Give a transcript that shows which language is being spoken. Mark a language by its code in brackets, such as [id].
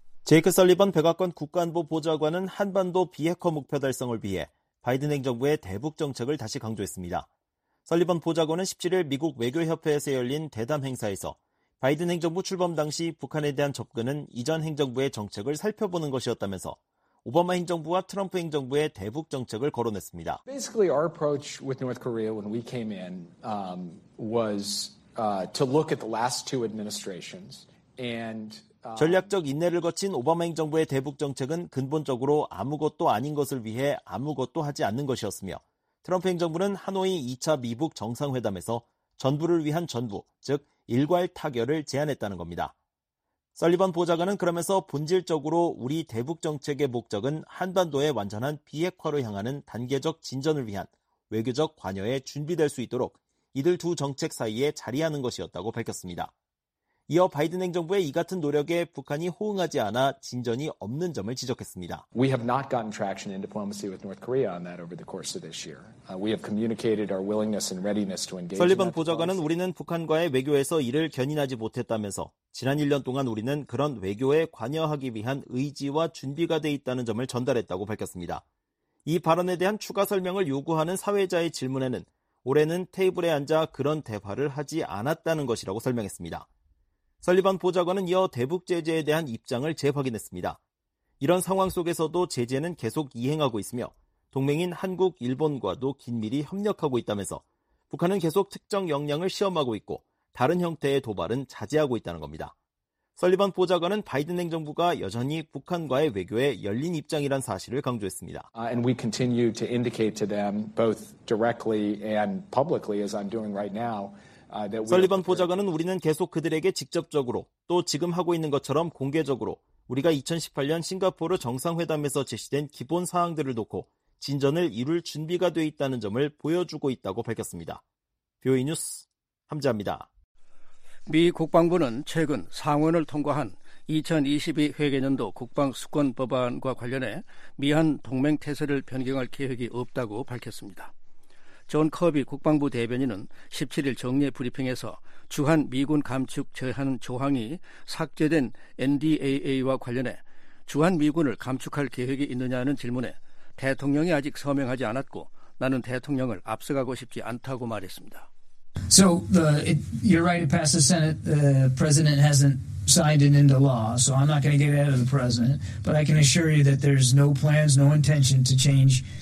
[ko] 제이크 설리번 백악관 국가안보 보좌관은 한반도 비핵화 목표 달성을 위해 바이든 행정부의 대북 정책을 다시 강조했습니다. 설리번 보좌관은 17일 미국 외교협회에서 열린 대담 행사에서 바이든 행정부 출범 당시 북한에 대한 접근은 이전 행정부의 정책을 살펴보는 것이었다면서 오바마 행정부와 트럼프 행정부의 대북 정책을 거론했습니다. [en] Basically our approach with North Korea when we came in was to look at the last two administrations and [ko] 전략적 인내를 거친 오바마 행정부의 대북 정책은 근본적으로 아무것도 아닌 것을 위해 아무것도 하지 않는 것이었으며 트럼프 행정부는 하노이 2차 미북 정상회담에서 전부를 위한 전부, 즉 일괄 타결을 제안했다는 겁니다. 설리번 보좌관은 그러면서 본질적으로 우리 대북 정책의 목적은 한반도의 완전한 비핵화로 향하는 단계적 진전을 위한 외교적 관여에 준비될 수 있도록 이들 두 정책 사이에 자리하는 것이었다고 밝혔습니다. 이어 바이든 행정부의 이 같은 노력에 북한이 호응하지 않아 진전이 없는 점을 지적했습니다. [en] We have not gotten traction in diplomacy with North Korea on that over the course of this year. We have communicated our willingness and readiness to engage. [ko] 설리번 보좌관은 우리는 북한과의 외교에서 이를 견인하지 못했다면서 지난 1년 동안 우리는 그런 외교에 관여하기 위한 의지와 준비가 돼 있다는 점을 전달했다고 밝혔습니다. 이 발언에 대한 추가 설명을 요구하는 사회자의 질문에는 올해는 테이블에 앉아 그런 대화를 하지 않았다는 것이라고 설명했습니다. 설리번 보좌관은 이어 대북 제재에 대한 입장을 재확인했습니다. 이런 상황 속에서도 제재는 계속 이행하고 있으며 동맹인 한국, 일본과도 긴밀히 협력하고 있다면서 북한은 계속 특정 역량을 시험하고 있고 다른 형태의 도발은 자제하고 있다는 겁니다. 설리번 보좌관은 바이든 행정부가 여전히 북한과의 외교에 열린 입장이란 사실을 강조했습니다. [en] And we continue to indicate to them both directly and publicly as I'm doing right now. [ko] 설리번 보좌관은 우리는 계속 그들에게 직접적으로 또 지금 하고 있는 것처럼 공개적으로 우리가 2018년 싱가포르 정상회담에서 제시된 기본 사항들을 놓고 진전을 이룰 준비가 돼 있다는 점을 보여주고 있다고 밝혔습니다. 뷰이 뉴스 함지합니다. 미 국방부는 최근 상원을 통과한 2022 회계연도 국방수권법안과 관련해 미한 동맹 태세를 변경할 계획이 없다고 밝혔습니다. 존 커비 국방부 대변인은 17일 정례 브리핑에서 주한 미군 감축 제한 조항이 삭제된 NDAA와 관련해 주한 미군을 감축할 계획이 있느냐는 질문에 대통령이 아직 서명하지 않았고 나는 대통령을 앞서가고 싶지 않다고 말했습니다. [en] So you're right. It passed the Senate. The president hasn't signed it into law, so I'm not going to get ahead of the president. But I can assure you that there's no plans, no intention to change.